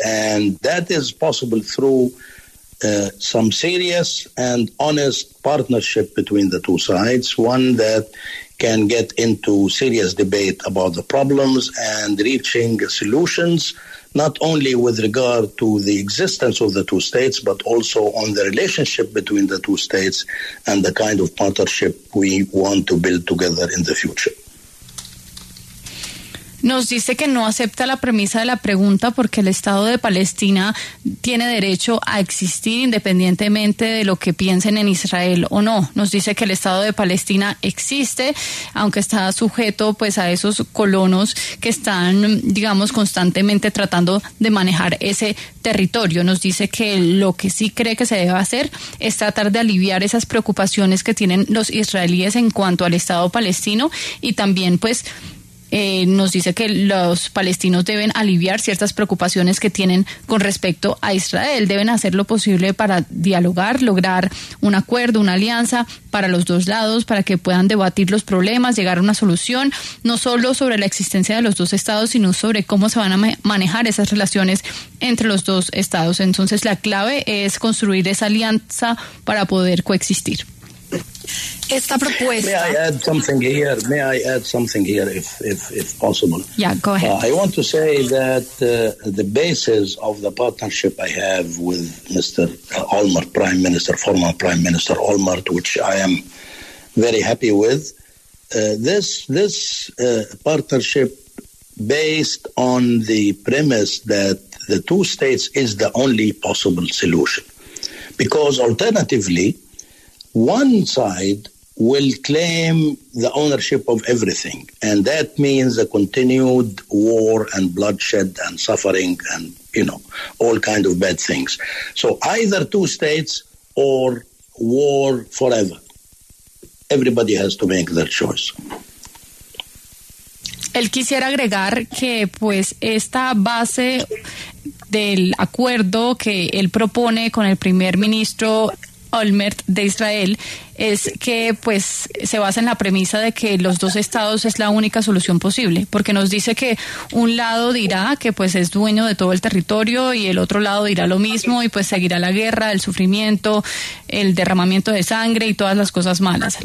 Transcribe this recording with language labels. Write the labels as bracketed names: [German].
[English] And that is possible through some serious and honest partnership between the two sides, one that can get into serious debate about the problems and reaching solutions, not only with regard to the existence of the two states, but also on the relationship between the two states and the kind of partnership we want to build together in the future. [Spanish] Nos dice que no acepta la premisa de la pregunta porque el Estado de Palestina tiene derecho a existir independientemente de lo que piensen en Israel o no. Nos dice que el Estado de Palestina existe, aunque está sujeto pues a esos colonos que están, digamos, constantemente tratando de manejar ese territorio. Nos dice que lo que sí cree que se debe hacer es tratar de aliviar esas preocupaciones que tienen los israelíes en cuanto al Estado palestino y también, pues, nos dice que los palestinos deben aliviar ciertas preocupaciones que tienen con respecto a Israel. Deben hacer lo posible para dialogar, lograr un acuerdo, una alianza para los dos lados, para que puedan debatir los problemas, llegar a una solución, no solo sobre la existencia de los dos estados, sino sobre cómo se van a manejar esas relaciones entre los dos estados. Entonces, la clave es construir esa alianza para poder coexistir. Esta propuesta. [English] May I add something here? May I add something here, if possible? Yeah, go ahead. I want to say that the basis of the partnership I have with Mr. Olmert, Prime Minister, former Prime Minister Olmert, which I am very happy with, this partnership based on the premise that the two states is the only possible solution. Because alternatively, one side will claim the ownership of everything, and that means a continued war and bloodshed and suffering and, you know, all kind of bad things. So either two states or war forever. Everybody has to make their choice. [Spanish] Él quisiera agregar que, pues, esta base del acuerdo que él propone con el primer ministro Olmert de Israel es que, pues, se basa en la premisa de que los dos estados es la única solución posible, porque nos dice que un lado dirá que, pues, es dueño de todo el territorio y el otro lado dirá lo mismo y, pues, seguirá la guerra, el sufrimiento, el derramamiento de sangre y todas las cosas malas.